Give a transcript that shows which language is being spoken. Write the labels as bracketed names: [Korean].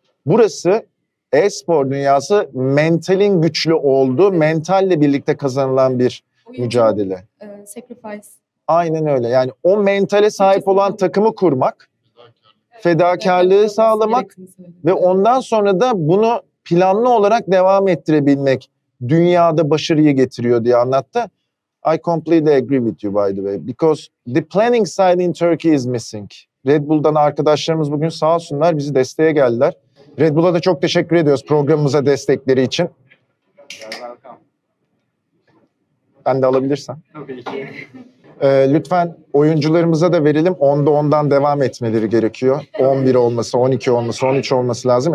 [Turkish] Burası e-spor dünyası, mentalin güçlü olduğu, mentalle birlikte kazanılan bir mücadele. [English] Sacrifice. [Turkish] Aynen öyle. Yani o mentale sahip olan takımı kurmak, fedakarlığı sağlamak ve ondan sonra da bunu planlı olarak devam ettirebilmek dünyada başarıyı getiriyor diye anlattı. [English] I completely agree with you by the way. Because the planning side in Turkey is missing. [Turkish] Red Bull'dan arkadaşlarımız bugün sağ olsunlar bizi desteğe geldiler. Red Bull'a da çok teşekkür ediyoruz programımıza destekleri için. Ben de alabilirsen. Lütfen oyuncularımıza da verelim. 10'da 10'dan devam etmeleri gerekiyor. 11 olması, 12 olması, 13 olması lazım.